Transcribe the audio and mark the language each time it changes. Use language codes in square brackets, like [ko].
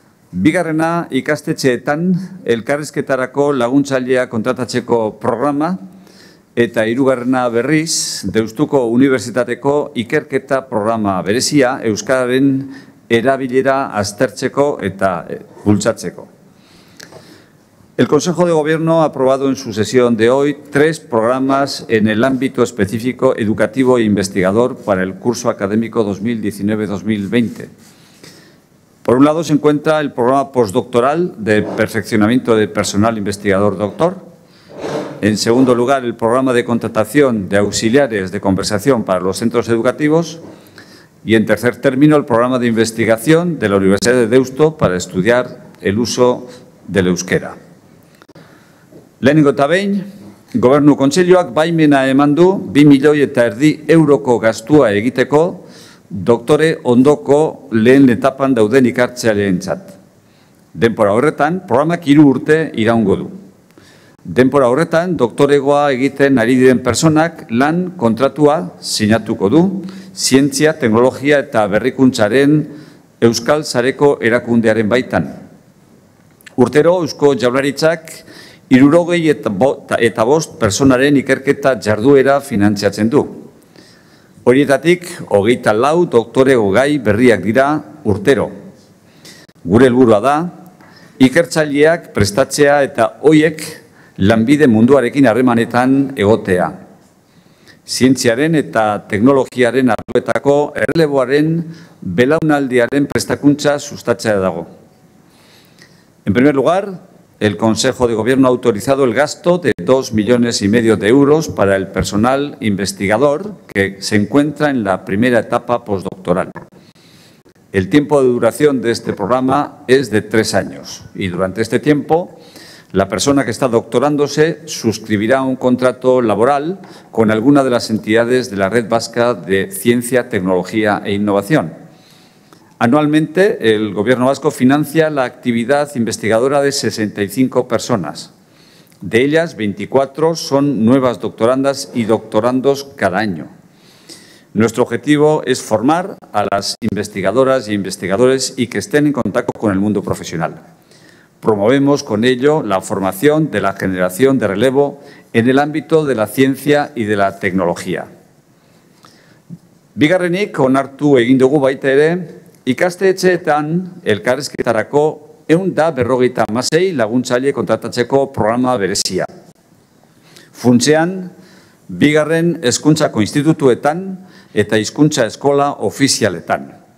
[eu] Bigarrena, ikastetxeetan elkarrizketarako laguntzailea kontratatzeko programa eta hirugarrena berriz Deustuko Unibertsitateko ikerketa programa berezia euskararen erabilera aztertzeko eta bultzatzeko. [es] El Consejo de Gobierno ha aprobado en su sesión de hoy tres programas en el ámbito específico educativo e investigador para el curso académico 2019-2020. Por un lado, se encuentra el programa postdoctoral de perfeccionamiento de personal investigador doctor. En segundo lugar, el programa de contratación de auxiliares de conversación para los centros educativos. Y en tercer término, el programa de investigación de la Universidad de Deusto para estudiar el uso del euskera. [eu] Lehenengo eta behin, Gobernu Kontseiluak baimena eman du 2.000.000 euroko gastua egiteko doktore ondoko lehen etapan dauden ikertzaileentzat. Denbora horretan, programak hiru urte iraungo du. Denbora horretan, doktoregoa egiten ari diren personak lan kontratua sinatuko du zientzia, teknologia eta berrikuntzaren Euskal Sareko erakundearen baitan. Urtero, Eusko Jaurlaritzak 65 personaren ikerketa jarduera finantziatzen du. Horietatik, 24 doktorego gai berriak dira urtero. Gure helburua da, ikertzaileak prestatzea eta hoiek lanbide munduarekin harremanetan egotea. Zientziaren eta teknologiaren arloetako erreleboaren belaunaldiaren prestakuntza sustatzea dago. [es] En primer lugar, el Consejo de Gobierno ha autorizado el gasto de 2.500.000 de euros para el personal investigador que se encuentra en la primera etapa postdoctoral. El tiempo de duración de este programa es de 3 años y durante este tiempo la persona que está doctorándose suscribirá un contrato laboral con alguna de las entidades de la Red Vasca de Ciencia, Tecnología e Innovación. Anualmente, el Gobierno vasco financia la actividad investigadora de 65 personas. De ellas, 24 son nuevas doctorandas y doctorandos cada año. Nuestro objetivo es formar a las investigadoras e investigadores y que estén en contacto con el mundo profesional. Promovemos con ello la formación de la generación de relevo en el ámbito de la ciencia y de la tecnología. [eu] Bigarrenik, onartu egin dugu baita ere, ikastetxeetan elkarrezketarako 146 laguntzaile kontratatzeko programa berezia. Funtzean, bigarren hezkuntzako institutuetan eta hizkuntza eskola ofizialetan.